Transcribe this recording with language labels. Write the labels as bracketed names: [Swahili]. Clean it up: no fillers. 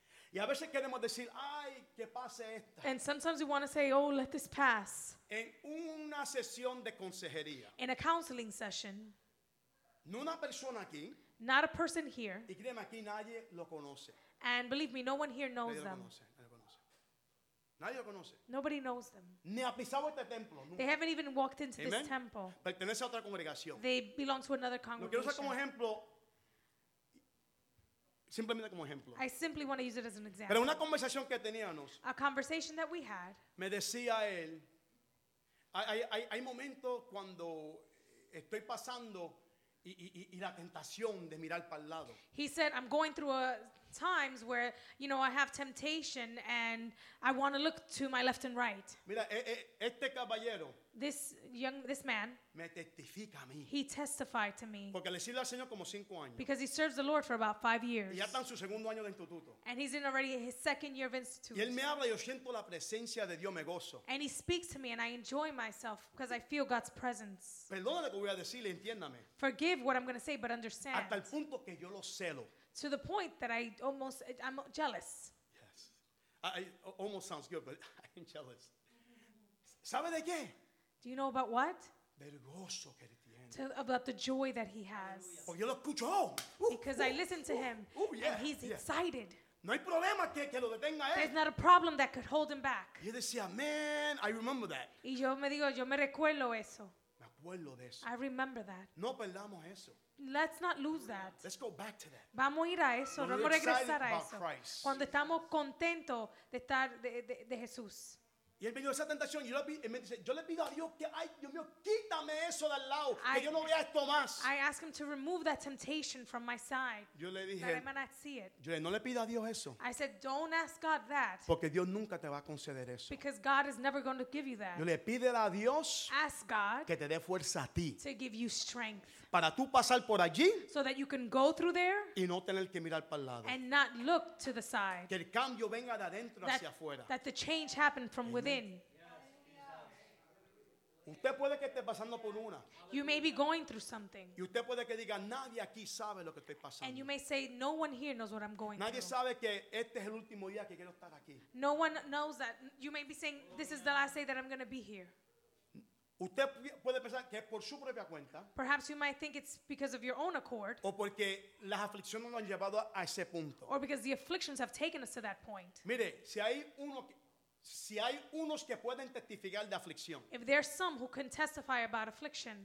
[Spanish] Y a veces queremos decir, ay, que pase esta. [English] And sometimes we want to say, oh, let this pass. [Spanish] En una sesión de consejería. [English] In a counseling session. [Spanish] No una persona aquí. [English] Not a person here. [Spanish] Y créeme, aquí nadie lo conoce. [English] And believe me, no one here knows them. [Spanish] Nadie lo conoce. [English] Nobody knows them. [Spanish] Ni ha pisado este templo, nunca. [English] They haven't even walked into this temple. [Spanish] Pertenece a otra congregación. [English] They belong to another congregation. [Spanish] Lo quiero usar como ejemplo. Simplemente como ejemplo. [English] I simply want to use it as an example. [Spanish] Pero una conversación que teníamos. [English] A conversation that we had. [Spanish] Me decía él. Hay momentos cuando estoy pasando y la tentación de mirar para el lado. [English] He said, I'm going through a times where, you know, I have temptation and I want to look to my left and right. [Spanish] Mira, este caballero, [English] this man, [Spanish] me testifica a mí. [English] He testified to me. [Spanish] Porque le sirve al Señor como 5 años. [English] Because he serves the Lord for about 5 years. [Spanish] Y ya está en su segundo año de instituto. [English] And he's in already his second year of institute. [Spanish] Y él me habla y yo siento la presencia de Dios, me gozo. [English] And he speaks to me and I enjoy myself because I feel God's presence. [Spanish] Perdona lo que voy a decir, entiéndame. [English] Forgive what I'm going to say, but understand. [Spanish] Hasta el punto que yo lo celo. [English] To the point that I'm jealous. Yes. I almost sounds good, but I'm jealous. [Spanish] ¿Sabe de qué? [English] Do you know about what? [Spanish] Del gozo que tiene. [English] About the joy that he has. [Spanish] Porque yo lo escucho. [English] Because I listen to him. Oh, yeah, and he's yeah. Excited. [Spanish] No hay problema que lo detenga él. [English] There's not a problem that could hold him back. [Spanish] Y yo decía, [English] man, I remember that. [Spanish] Y yo me digo, yo me recuerdo eso. Me acuerdo de eso. [English] I remember that. [Spanish] No perdamos eso. [English] Let's not lose that. Let's go back to that. [Spanish] Vamos a ir a eso. [English] When [Spanish] vamos a regresar a eso. [English] Christ. [Spanish] Cuando estamos contentos de estar de Jesús. Y él me dio esa tentación. Y me dice, yo le pido a Dios que, ay, Dios mío, quítame eso del lado. Que yo no vea esto más. [English] I ask him to remove that temptation from my side. [Spanish] Yo le dije, [English] that I may not see it. [Spanish] Yo le dije, no le pido a Dios eso. [English] I said, don't ask God that. [Spanish] Porque Dios nunca te va a conceder eso. [English] Because God is never going to give you that. [Spanish] Yo le pide a Dios. [English] Ask God. [Spanish] Que te dé fuerza a ti. [English] To give you strength. [Spanish] Para tú pasar por allí. [English] So that you can go through there. [Spanish] Y no tener que mirar para el lado. [English] And not look to the side. [Spanish] Que el cambio venga de adentro hacia afuera. [English] That the change happen from Amen. Within. [Spanish] Usted puede que esté pasando por una. [English] You may be going through something. [Spanish] Y usted puede que diga, nadie aquí sabe lo que estoy pasando. [English] And you may say, no one here knows what I'm going [Spanish] nadie [English] through. [Spanish] Sabe que este es el último día que quiero estar aquí. [English] No one knows that. You may be saying, this is the last day that I'm going to be here. [Spanish] Usted puede pensar que por su propia cuenta. [English] Perhaps you might think it's because of your own accord. [Spanish] O porque las aflicciones nos han llevado a ese punto. [English] Or because the afflictions have taken us to that point. [Spanish] Mire, si hay unos que pueden testificar de aflicción. [English] If there are some who can testify about affliction.